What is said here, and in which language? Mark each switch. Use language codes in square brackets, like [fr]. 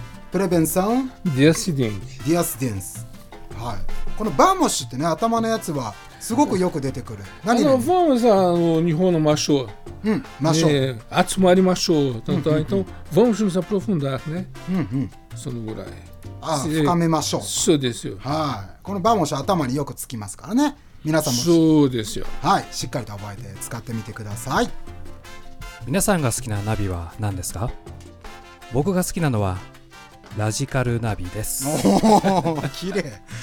[pt] prevenção de acidentes. De acidentes. はい。 [ja] この vamos ってね、頭のやつはすごくよく出てくる。何々。 Vamos a 日本のマッショー。うん、集まりましょう。 [pt] うん、então、vamos nos aprofundar, né? [ja] そのぐらい。あ、深めましょう。そうですよ。はい。このバモシは頭によくつきますからね。皆さんも。そうですよ。はい。しっかりと覚えて使ってみてください。皆さんが好きなナビは何ですか？僕が好きなのは、ラジカルナビです。おお、綺麗。